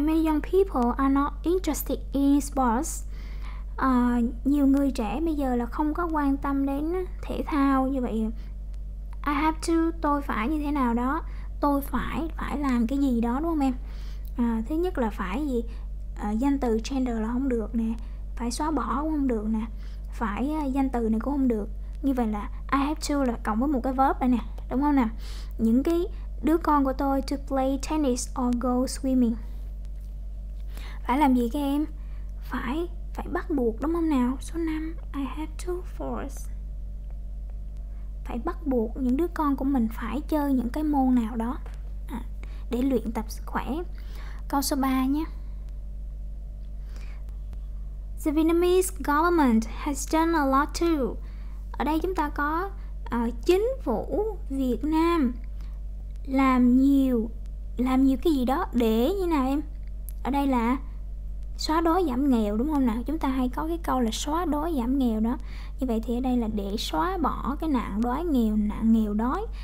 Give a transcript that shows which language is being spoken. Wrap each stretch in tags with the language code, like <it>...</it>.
<en>Many young people are not interested in sports.</en> <vi>Nhiều người trẻ bây giờ là không có quan tâm đến thể thao. Như vậy</vi> <en>I have to,</en> <vi>tôi phải như thế nào đó. Tôi phải làm cái gì đó đúng không em? Thứ nhất là phải gì? Danh từ gender là không được nè. Phải xóa bỏ cũng không được nè. Phải danh từ này cũng không được. Như vậy là</vi> <en>I have to</en> <vi>là cộng với một cái verb đây nè. Đúng không nè? Những cái đứa con của tôi</vi> <en>to play tennis or go swimming.</en> <vi>Phải làm gì các em? Phải bắt buộc đúng không nào? Số 5,</vi> <en>I have to force.</en> <vi>Phải bắt buộc những đứa con của mình phải chơi những cái môn nào đó để luyện tập sức khỏe. Câu số 3 nhé.</vi> <en>The Vietnamese government has done a lot too.</en> <vi>Ở đây chúng ta có chính phủ Việt Nam làm nhiều cái gì đó để như nào em? Ở đây là xóa đói giảm nghèo đúng không nào? Chúng ta hay có cái câu là xóa đói giảm nghèo đó. Như vậy thì ở đây là để xóa bỏ cái nạn nghèo đói.</vi>